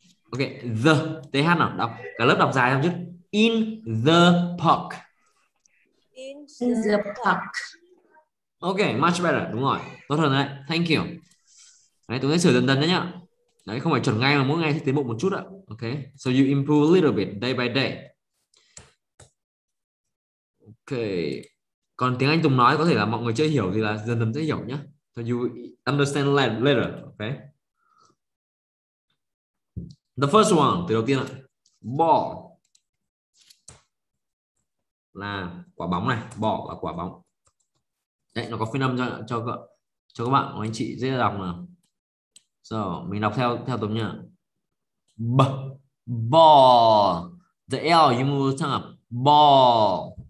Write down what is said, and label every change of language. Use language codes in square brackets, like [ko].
[vi] Ok, the, TH nào, đọc, cả lớp đọc dài không chứ? [en] In the park. In the park. Ok, much better, [vi] đúng rồi, tốt hơn đấy, [en] thank you. [vi] Đấy, tôi sẽ sửa dần dần đấy nhá. Đấy, không phải chuẩn ngay mà mỗi ngày sẽ tiến bộ một chút ạ. [en] Ok, so you improve a little bit, day by day. [vi] Ok, còn tiếng Anh Tùng nói có thể là mọi người chưa hiểu thì là dần dần sẽ hiểu nhá. [en] So you understand later, ok. The first one, [vi] từ đầu tiên là ball, là quả bóng này, ball là quả bóng. Đấy, nó có phiên âm cho các bạn, anh chị dễ đọc nào. So, mình đọc theo tấm nhá. [en] B, ball, the L you move the tongue up, ball.